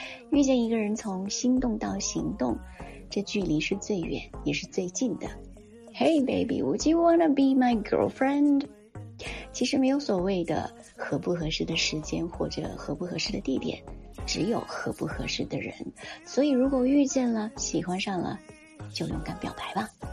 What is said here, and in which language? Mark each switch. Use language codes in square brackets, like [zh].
[zh] 遇见一个人从心动到行动，这距离是最远也是最近的。 [en] Hey baby, would you wanna be my girlfriend? [zh] 其实没有所谓的合不合适的时间或者合不合适的地点，只有合不合适的人。所以如果遇见了，喜欢上了，就勇敢表白吧。